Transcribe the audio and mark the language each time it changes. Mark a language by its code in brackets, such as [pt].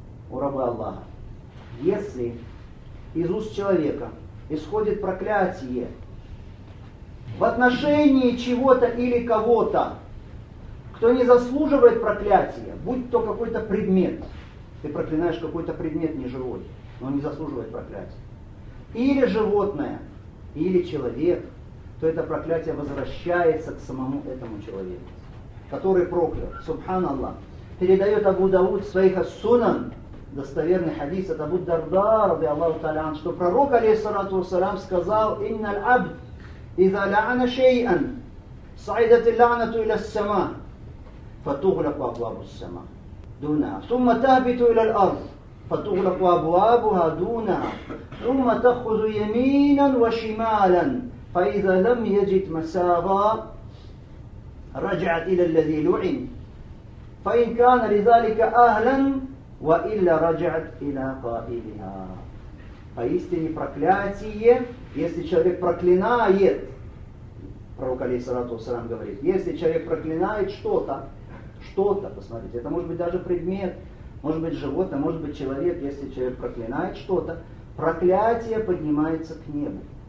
[ru] У рабы Аллаха, если из уст человека исходит проклятие в отношении чего-то или кого-то, кто не заслуживает проклятия, будь то какой-то предмет, ты проклинаешь какой-то предмет неживой, но он не заслуживает проклятия, или животное, или человек, то это проклятие возвращается к самому этому человеку, который проклят. Субханаллах. Передает Абу Дауд в своих ас-сунан, достоверный хадис от Абу Дарда, ради Аллаху Талян, что пророк, алейхиссалату вассалям, сказал, [ar] «Иннал абд, иза ля'ана шей'ан, сайдати ля'нату иля ссама». فتغلق أبواب السماء دونها ثم تهبط إلى الأرض فتغلق أبوابها دونها ثم تأخذ يمينا وشمالا فإذا لم يجد مسارا رجعت إلى الذي لعن فإن كان لذلك أهلا وإلا رجعت إلى قائلها. [ru] Поистине проклятие, если человек проклинает, пророк алейхиссалату вассалям говорит, если человек проклинает что-то, посмотрите, это может быть даже предмет, может быть животное, может быть человек, если человек проклинает что-то, проклятие поднимается к небу.